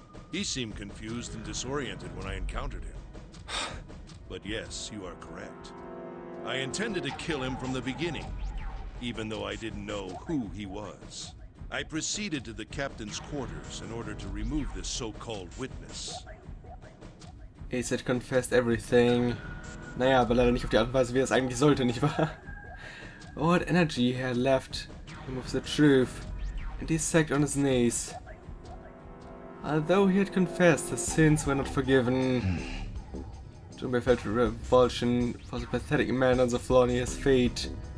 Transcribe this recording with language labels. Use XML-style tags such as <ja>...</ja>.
<en>He seemed confused and disoriented when I encountered him. But yes, you are correct. I intended to kill him from the beginning, even though I didn't know who he was. I proceeded to the captain's quarters in order to remove this so-called witness. Ace had confessed everything.</en> <de>Naja, aber leider nicht auf die Art und Weise, wie es eigentlich sollte, nicht wahr?</de> <en>What energy he had left him of the truth, and he sagged on his knees. Although he had confessed, his sins were not forgiven. Junpei felt revulsion for the pathetic man on the floor near his feet.</en>